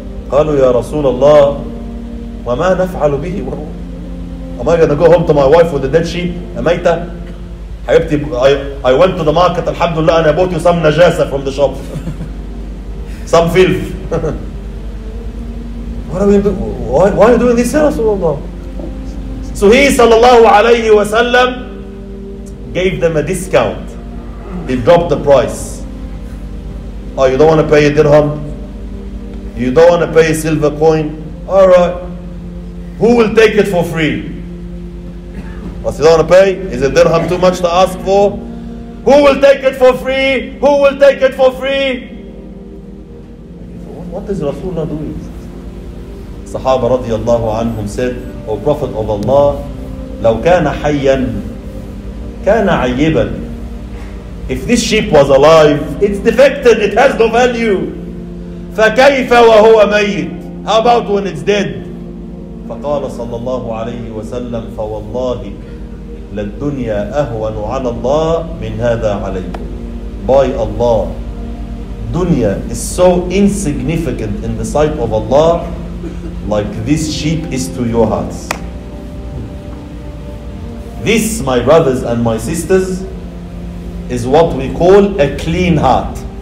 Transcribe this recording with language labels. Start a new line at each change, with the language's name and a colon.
Arabic: قالوا يا رسول الله وما نفعل به.
English: Am I going to go home to my wife with a dead sheep? أميتة? حبيبتي, I went to the market, alhamdulillah, and I bought you some najasa from the shop. Some filth. What are we doing? Why are you doing this, Rasulullah? So he sallallahu alayhi wa sallam gave them a discount. He dropped the price. Oh, you don't want to pay a dirham? You don't want to pay a silver coin? Alright. Who will take it for free? What you don't want to pay? Is a dirham too much to ask for? Who will take it for free? Who will take it for free? What is Rasulullah doing? Sahaba radiallahu anhum said, O Prophet of Allah,
Arabic: لو كان حيا كان عيبا.
English: If this sheep was alive, it's defected, it has no value.
Arabic: فكيف وهو ميت?
English: How about when it's dead?
Arabic: فقال صلى الله عليه وسلم فوالله للدنيا أهون على الله من هذا عليه.
English: By Allah, dunya is so insignificant in the sight of Allah like this sheep is to your hearts. This, my brothers and my sisters, is what we call a clean heart.